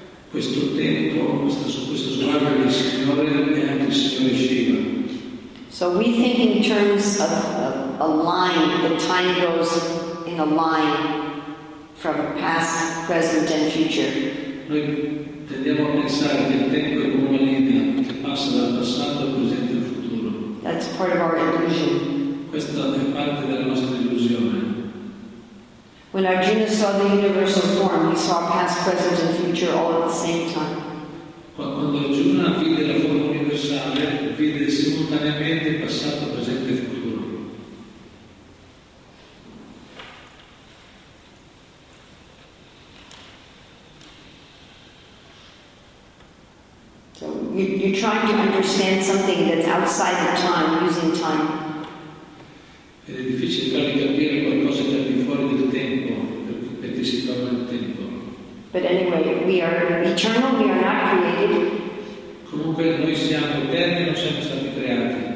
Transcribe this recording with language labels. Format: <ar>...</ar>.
<it>Questo tempo, questo sguardo del Signore è anche il Signore Shiva.</it> <en>So we think in terms of a line. The time goes in a line. From past, present, and future.</en> <it>Noi tendiamo a pensare che il tempo è come una linea che passa dal passato, presente e futuro.</it> <en>That's part of our illusion.</en> <it>Questa è parte della nostra illusione.</it> <en>When Arjuna saw the universal form, he saw past, present, and future all at the same time.</en> <it>Quando Arjuna vide la forma universale, vide simultaneamente passato, presente e futuro.</it> <en>You're trying to understand something that's outside the time, using time.</en> <it>È difficile per capire qualcosa che è di fuori del tempo, perché si parla del tempo.</it> <en>But anyway, we are eternal, we are not created.</en> <it>Comunque noi siamo eterni, non siamo stati creati.</it>